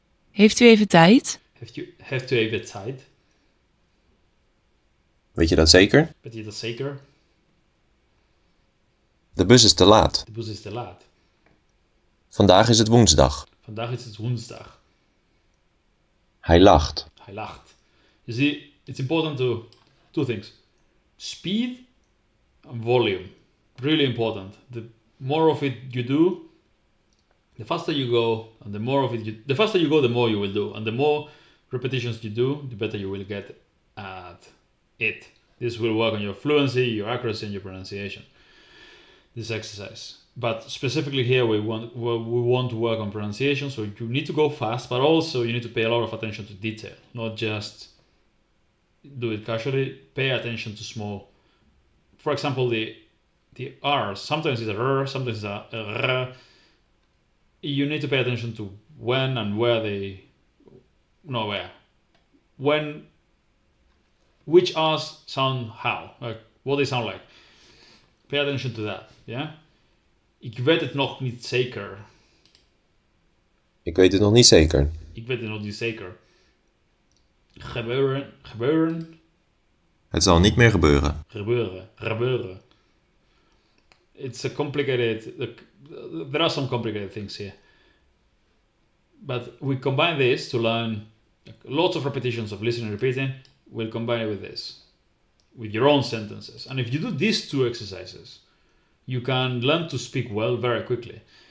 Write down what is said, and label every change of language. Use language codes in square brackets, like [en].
[nl] Heeft u even tijd? Heeft u even tijd? Weet je dat zeker? Bent u dat zeker? De bus is te laat. De bus is te laat. Vandaag is het woensdag. Vandaag is het woensdag. Hij lacht. Hij lacht. [en] You see, it's important to two things: speed and volume. Really important. The more of it you do, The faster you go, and the more of it, the faster you go, the more you will do, and the more repetitions you do, the better you will get at it. This will work on your fluency, your accuracy, and your pronunciation. This exercise, but specifically here, we want to work on pronunciation. So you need to go fast, but also you need to pay a lot of attention to detail, not just do it casually. Pay attention to small. For example, the R. Sometimes it's a R. Sometimes it's a R. You need to pay attention to when and where they, no where, when, which R's sound how, like what they sound like. Pay attention to that, yeah? [nl] Ik weet het nog niet zeker. Ik weet het nog niet zeker. Ik weet het nog niet zeker. Gebeuren. Het zal niet meer gebeuren. Gebeuren. [en] It's a complicated, there are some complicated things here. But we combine this to learn lots of repetitions of listening and repeating. We'll combine it with this, with your own sentences. And if you do these two exercises, you can learn to speak well very quickly.